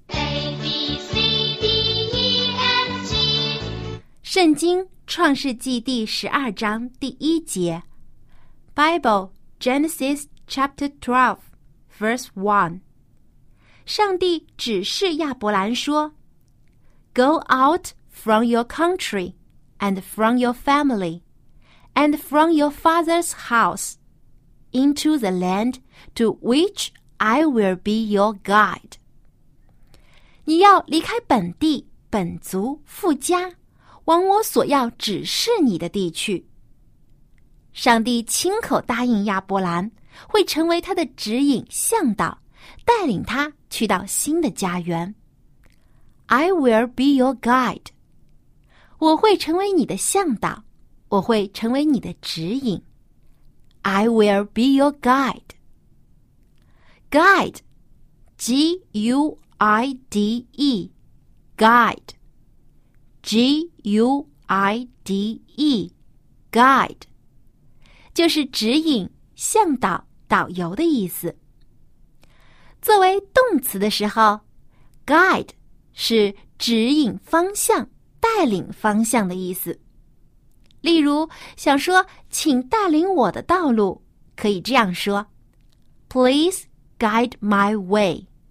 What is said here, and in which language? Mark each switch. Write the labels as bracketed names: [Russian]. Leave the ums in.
[English] A B C D E F G，《 [Chinese] 圣经》创世纪第十二章第一节， [English] Bible Genesis Chapter Twelve Verse One， [Chinese] 上帝指示亚伯兰说： [English] “Go out。 ” From your country, and from your family, and from your father's house, into the land to which I will be your guide。 [Chinese] 你要离开本地、本族、富家，往我所要指示你的地区。上帝亲口答应亚伯兰会成为他的指引向导，带领他去到新的家园。 [English] I will be your guide。 [Chinese] 我会成为你的向导，我会成为你的指引。 [English] I will be your guide. Guide, G U I D E, guide, G U I D E, guide， [Chinese] 就是指引、向导、导游的意思。作为动词的时候，guide 是指引方向。带领方向的意思，例如想说“请带领我的道路”，可以这样说： [English] “Please guide my way。